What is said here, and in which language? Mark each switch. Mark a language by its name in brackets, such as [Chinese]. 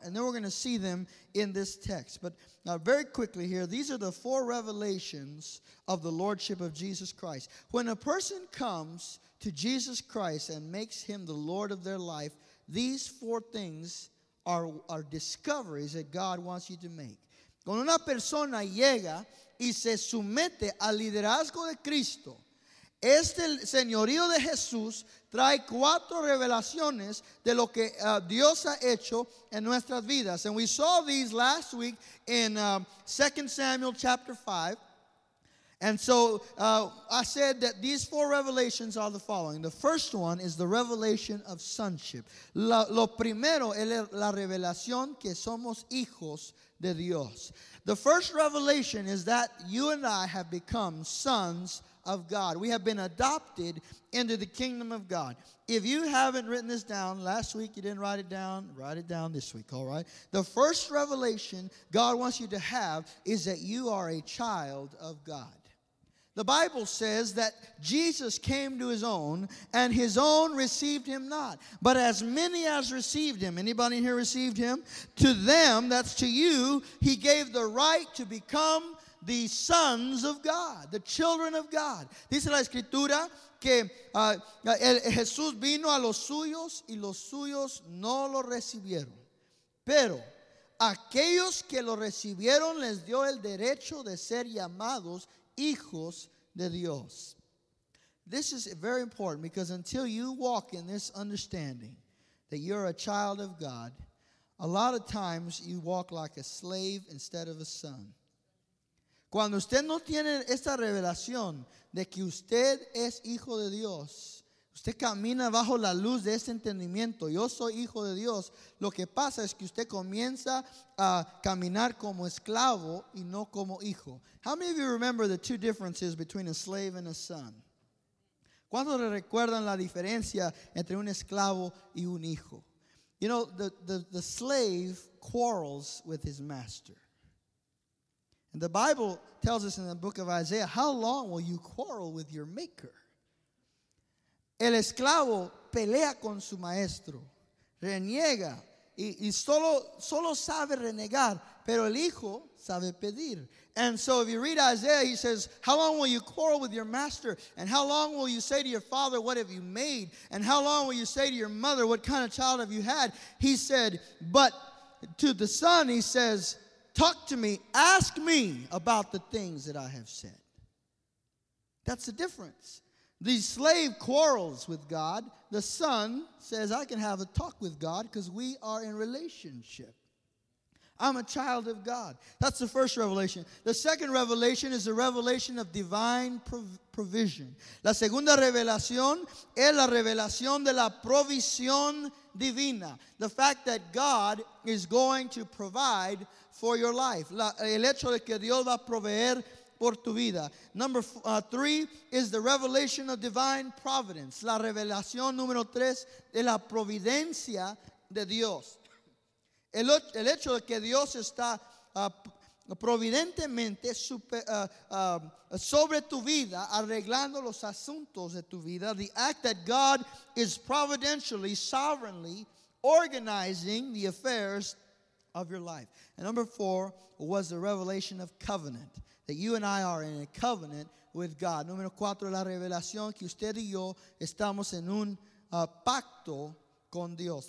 [English] And then we're going to see them in this text. But very quickly here, these are the four revelations of the Lordship of Jesus Christ. When a person comes to Jesus Christ and makes him the Lord of their life, these four things are discoveries that God wants you to make. [Spanish] Cuando una persona llega y se somete al liderazgo de Cristo, este señorío de Jesús trae cuatro revelaciones de lo que Dios ha hecho en nuestras vidas. [English] And we saw these last week in 2 Samuel chapter 5. And so I said that these four revelations are the following. The first one is the revelation of sonship. [Spanish] Lo primero es la revelación que somos hijos de Dios. [English] The first revelation is that you and I have become sons of God. We have been adopted into the kingdom of God. If you haven't written this down, last week you didn't write it down, write it down this week, all right? The first revelation God wants you to have is that you are a child of God. The Bible says that Jesus came to his own, and his own received him not. But as many as received him, anybody here received him? To them, that's to you, he gave the right to become the sons of God, the children of God. [Spanish] Dice la escritura que Jesús vino a los suyos y los suyos no lo recibieron. Pero aquellos que lo recibieron les dio el derecho de ser llamados hijos de Dios. [English] This is very important because until you walk in this understanding that you're a child of God, a lot of times you walk like a slave instead of a son. [Spanish] Cuando usted no tiene esta revelación de que usted es hijo de Dios, usted camina bajo la luz de ese entendimiento. Yo soy hijo de Dios. Lo que pasa es que usted comienza a caminar como esclavo y no como hijo. [English] How many of you remember the two differences between a slave and a son? [Spanish] ¿Cuántos recuerdan la diferencia entre un esclavo y un hijo? [English] You know, the slave quarrels with his master. And the Bible tells us in the book of Isaiah, how long will you quarrel with your maker? [Spanish] El esclavo pelea con su maestro, reniega, y solo sabe renegar, pero el hijo sabe pedir. [English] And so if you read Isaiah, he says, how long will you quarrel with your master? And how long will you say to your father, what have you made? And how long will you say to your mother, what kind of child have you had? He said, but to the son, he says, talk to me, ask me about the things that I have said. That's the difference. The slave quarrels with God. The son says, I can have a talk with God because we are in relationship. I'm a child of God. That's the first revelation. The second revelation is the revelation of divine provision. [Spanish] La segunda revelación es la revelación de la provisión divina. [English] The fact that God is going to provide for your life. [Spanish] El hecho de que Dios va a proveer por tu vida. [English] Number three is the revelation of divine providence. [Spanish] La revelación número tres de la providencia de Dios. El hecho de que Dios está providentemente sobre tu vida, arreglando los asuntos de tu vida. [English] The act that God is providentially, sovereignly organizing the affairs of your life. And number four was the revelation of covenant. That you and I are in a covenant with God. [Spanish] Número cuatro, la revelación que usted y yo estamos en un pacto con Dios.